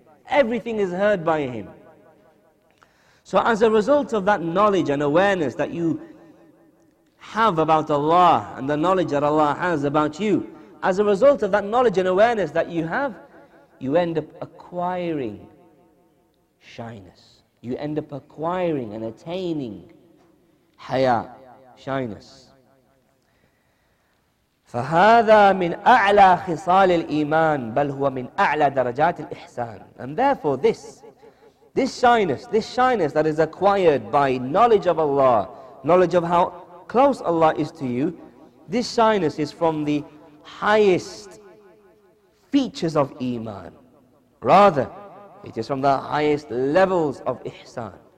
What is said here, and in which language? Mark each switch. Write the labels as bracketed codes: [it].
[en] Everything is heard by Him. So as a result of that knowledge and awareness that you have about Allah and the knowledge that Allah has about you, as a result of that knowledge and awareness that you have, you end up acquiring shyness. You end up acquiring and attaining haya, shyness. [ar] فهذا من أعلى خصال الإيمان بل هو من أعلى درجات الإحسان. [en] And therefore this shyness that is acquired by knowledge of Allah, knowledge of how close Allah is to you, this shyness is from the highest features of Iman. Rather, it is from the highest levels of Ihsan.